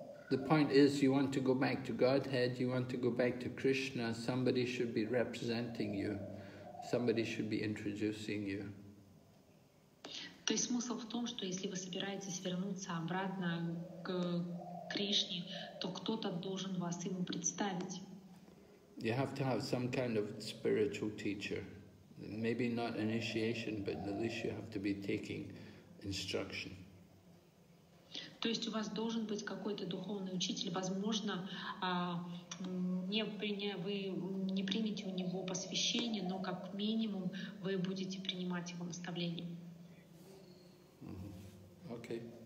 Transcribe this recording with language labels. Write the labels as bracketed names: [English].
[English] The point is, you want to go back to Godhead, you want to go back to Krishna, somebody should be representing you, somebody should be introducing you. [Russian] То есть смысл в том, что если вы собираетесь вернуться обратно к Кришне, то кто-то должен вас ему представить. [English] You have to have some kind of spiritual teacher. Maybe not initiation, but at least you have to be taking instruction. [Russian] То есть у вас должен быть какой-то духовный учитель, возможно, вы не примете у него посвящение, но как минимум вы будете принимать его наставления. [English] Okay.